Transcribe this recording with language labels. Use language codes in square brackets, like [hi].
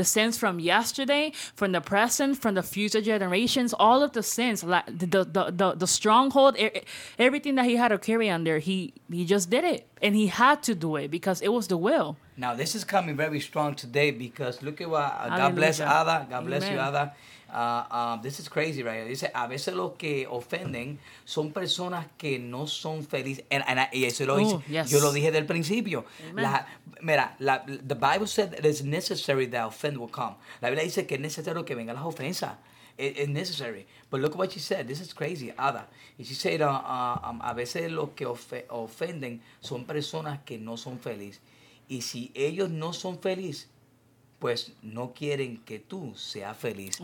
[en] The sins from yesterday, from the present, from the future generations, all of the sins, like the stronghold, everything that he had to carry on there, he just did it. And he had to do it because it was the will. Now, this is coming very strong today because look at what... God bless Ada. God bless Amen. You, Ada. This is crazy, right? [es] Dice, a veces los que ofenden son personas que no son felices. And eso lo dice. [en] Yes. [es] Yo lo dije del principio. [en] The Bible said that it's necessary that offense will come. [es] La Biblia dice que es necesario que vengan las ofensas. [en] It's necessary. But look what she said. This is crazy, Ada. And she said, [es] a veces los que ofenden son personas que no son felices. Y si ellos no son felices, pues no quieren que tú seas feliz.